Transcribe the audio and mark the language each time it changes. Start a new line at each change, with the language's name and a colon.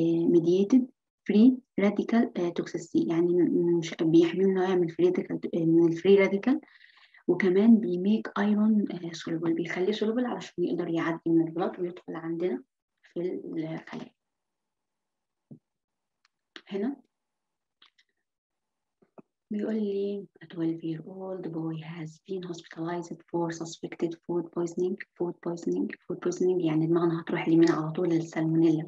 Arabic: ميدييتد فري راديكال توكسيسيتي، يعني مش بيحمي انه يعمل من الفري راديكال، وكمان بيميك ايرون سولوبل، بيخليه سولوبل علشان يقدر يعدي من البلاط ويدخل عندنا في الخلايا. هنا بيقول لي
English: a 12 year old boy has been hospitalized for suspected food poisoning.
Arabic: Food poisoning، food poisoning يعني دماغنا هتروح اليمين على طول للسالمونيلا.